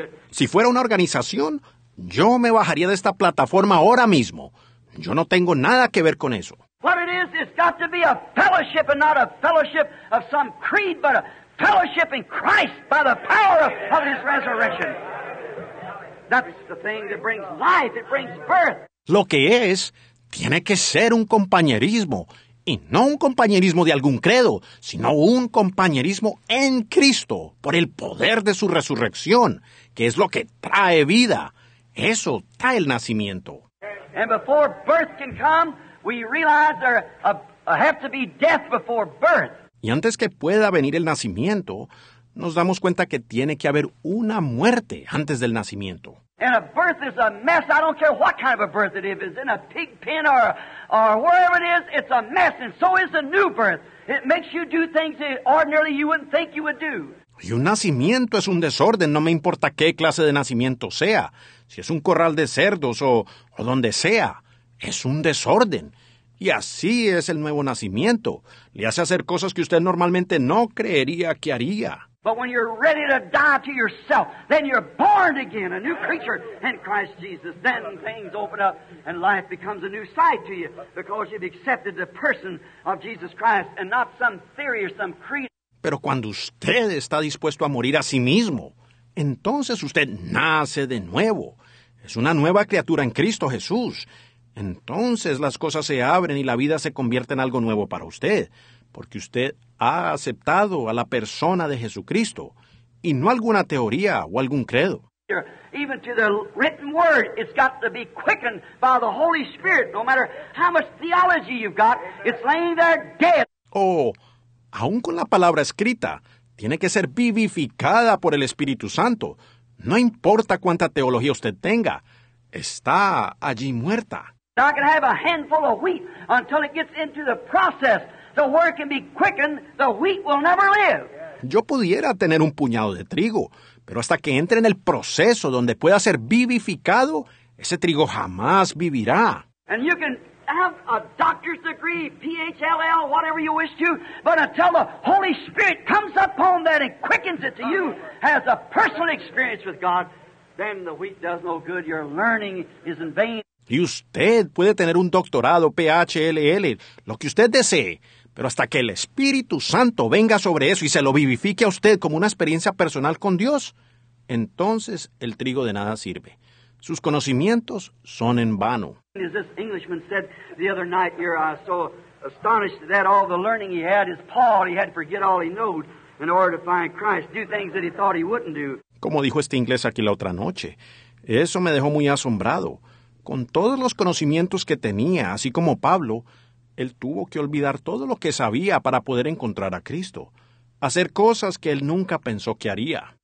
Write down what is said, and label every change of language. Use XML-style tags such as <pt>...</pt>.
<es>Si fuera una organización, yo me bajaría de esta plataforma ahora mismo. Yo no tengo nada que ver con eso.</es> <en>What it is, it's got to be a fellowship and not a fellowship of some creed, but a fellowship in Christ by the power of His resurrection. That's the thing that brings life, it brings birth.</en> <es>Lo que es, tiene que ser un compañerismo, y no un compañerismo de algún credo, sino un compañerismo en Cristo, por el poder de su resurrección, que es lo que trae vida. Eso trae el nacimiento.</es> <en>And before birth can come, we realize there have to be death before birth.</en> <es>Y antes que pueda venir el nacimiento, nos damos cuenta que tiene que haber una muerte antes del nacimiento.</es> <en>And a birth is a mess. I don't care what kind of a birth it is. If it's in a pig pen or wherever it is, it's a mess. And so is a new birth. It makes you do things that ordinarily you wouldn't think you would do.</en> <es>Y un nacimiento es un desorden. No me importa qué clase de nacimiento sea. Si es un corral de cerdos o donde sea. Es un desorden. Y así es el nuevo nacimiento. Le hace hacer cosas que usted normalmente no creería que haría.</es> <en>But when you're ready to die to yourself, then you're born again, a new creature in Christ Jesus. Then things open up and life becomes a new side to you because you've accepted the person of Jesus Christ and not some theory or some creed.</en> <es>Pero cuando usted está dispuesto a morir a sí mismo, entonces usted nace de nuevo. Es una nueva criatura en Cristo Jesús. Entonces las cosas se abren y la vida se convierte en algo nuevo para usted. Porque usted ha aceptado a la persona de Jesucristo, y no alguna teoría o algún credo.</es> <en>Scripture, even to the written word. It's got to be quickened by the Holy Spirit. No matter how much theology you've got, it's laying there dead.</en> <es>Oh, aun con la palabra escrita, tiene que ser vivificada por el Espíritu Santo. No importa cuánta teología usted tenga, está allí muerta.</es> <en>Now I can have a handful of wheat until it gets into the process. The word can be quickened, the wheat will never live.</en> <es>Yo pudiera tener un puñado de trigo, pero hasta que entre en el proceso donde pueda ser vivificado, ese trigo jamás vivirá.</es> <en>And you can have a doctor's degree, PhLL, whatever you wish to, but until the Holy Spirit comes upon that and quickens it to you, has a personal experience with God, then the wheat does no good. Your learning is in vain.</en> <es>Y usted puede tener un doctorado, PhLL, lo que usted desee, pero hasta que el Espíritu Santo venga sobre eso y se lo vivifique a usted como una experiencia personal con Dios, entonces el trigo de nada sirve. Sus conocimientos son en vano.</es> <en>As this Englishman said the other night, you're so astonished that all the learning he had is Paul. He had to forget all he knew in order to find Christ, do things that he thought he wouldn't do.</en> <es>Como dijo este inglés aquí la otra noche, eso me dejó muy asombrado. Con todos los conocimientos que tenía, así como Pablo, él tuvo que olvidar todo lo que sabía para poder encontrar a Cristo, hacer cosas que él nunca pensó que haría.</es>